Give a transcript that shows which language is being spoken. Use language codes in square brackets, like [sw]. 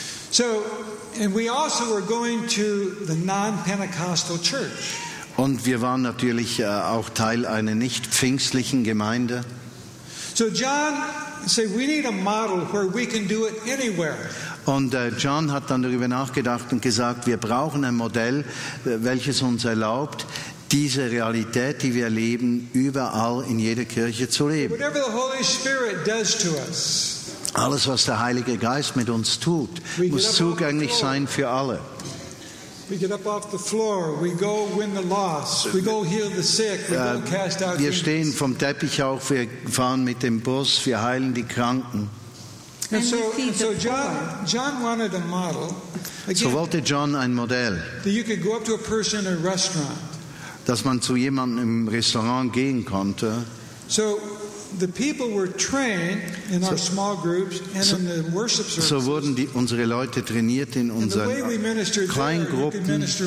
[en] So, and we also were going to the non-Pentecostal church. [de] Und wir waren natürlich auch Teil einer nicht pfingstlichen Gemeinde. [en] So John say we need a model where we can do it anywhere. [de] Und John hat dann darüber nachgedacht und gesagt, wir brauchen ein Modell, welches uns erlaubt, diese Realität, die wir leben, überall in jeder Kirche zu leben. [en] Whatever the Holy Spirit does to us. [de] Alles, was der Heilige Geist mit uns tut, muss zugänglich sein für alle. [en] We get up off the floor, we go win the lost, we go heal the sick, we go cast out [de] demons. Wir stehen vom Teppich auf, wir fahren mit dem Bus, wir heilen die Kranken. [en] And so John wanted a model. Again, [de] so wollte John ein Modell. [en] That you could go up to a person in a restaurant. [de] Dass man zu jemandem im Restaurant gehen konnte. [en] So the people were trained in our small groups and in the worship services. [de] So wurden unsere Leute trainiert in unseren Kleingruppen.